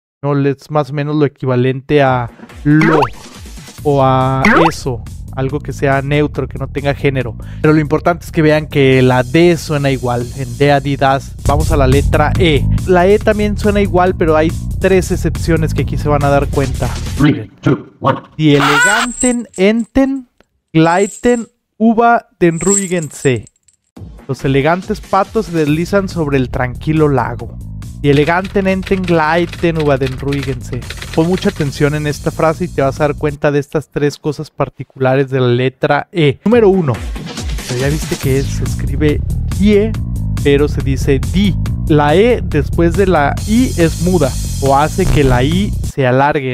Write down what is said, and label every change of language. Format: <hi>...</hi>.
<es>No, es más o menos lo equivalente a lo o a eso. Algo que sea neutro, que no tenga género. Pero lo importante es que vean que la D suena igual. En D, A, D, DAS. Vamos a la letra E. La E también suena igual, pero hay tres excepciones que aquí se van a dar cuenta. 3, 2, 1.</es> <de>Die eleganten enten gleiten über den ruhigen See.</de> <es>Los elegantes patos se deslizan sobre el tranquilo lago.</es> <de>Die eleganten enten gleiten über den ruhigen See.</de> <es>Pon mucha atención en esta frase y te vas a dar cuenta de estas tres cosas particulares de la letra E. Número 1. Pero ya viste que se escribe die, pero se dice di. La E después de la I es muda o hace que la I se alargue.</es>